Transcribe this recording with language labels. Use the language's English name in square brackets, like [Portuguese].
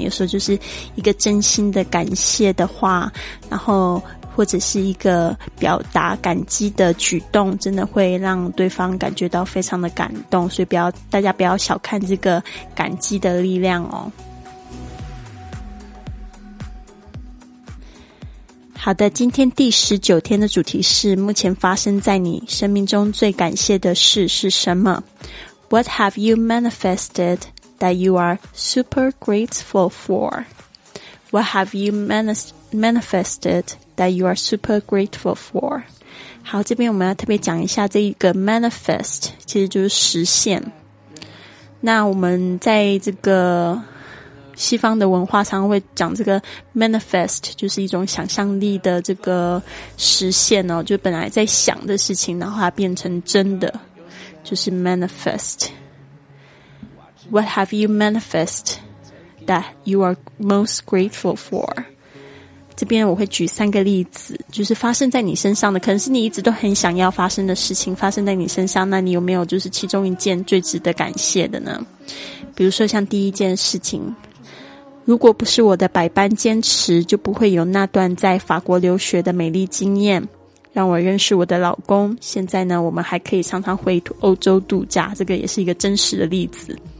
[Chinese] 有时候就是一个真心的感谢的话，然后或者是一个表达感激的举动，真的会让对方感觉到非常的感动。所以不要，大家不要小看这个感激的力量哦。好的，今天第19天的主题是目前发生在你生命中最感谢的事是什么。 [English] What have you manifested that you are super grateful for? What have you manifested that you are super grateful for? [Chinese] 好，这边我们要特别讲一下这一个 manifest， 其实就是实现。那我们在这个西方的文化常会讲这个 manifest， 就是一种想象力的这个实现哦，就本来在想的事情，然后它变成真的。就是 manifest. [English] What have you manifest that you are most grateful for? [Chinese] 这边我会举三个例子，就是发生在你身上的，可能是你一直都很想要发生的事情发生在你身上，那你有没有就是其中一件最值得感谢的呢？比如说像第一件事情，如果不是我的百般坚持，就不会有那段在法国留学的美丽经验，让我认识我的老公，现在呢我们还可以常常回欧洲度假，这个也是一个真实的例子。